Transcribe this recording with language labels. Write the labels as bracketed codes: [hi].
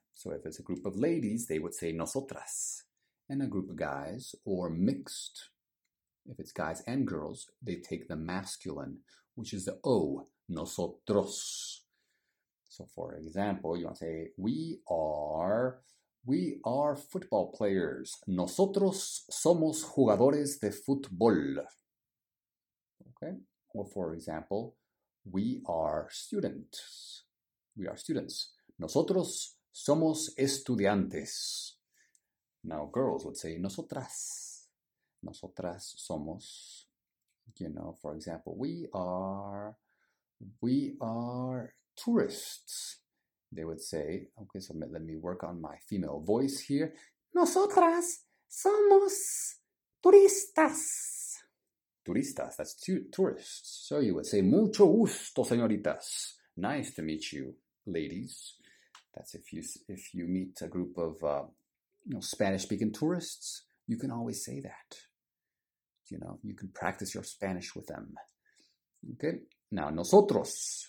[en] So if it's a group of ladies, they would say nosotras. And a group of guys, or mixed, if it's guys and girls, they take the masculine, which is the O, nosotros. So for example, you want to say, we are football players. [es] Nosotros somos jugadores de fútbol. [en] Okay. Or for example, we are students. We are students. [es] Nosotros somos estudiantes. [en] Now, girls would say, nosotras. [es] Nosotras somos, [en] you know, for example, we are tourists. They would say, okay, so let me work on my female voice here. [es] Nosotras somos turistas. [en] Turistas, that's tourists. So you would say, [es] mucho gusto, señoritas. [en] Nice to meet you, ladies. That's if you meet a group of, Spanish-speaking tourists, you can always say that. You know, you can practice your Spanish with them. Okay, now nosotros.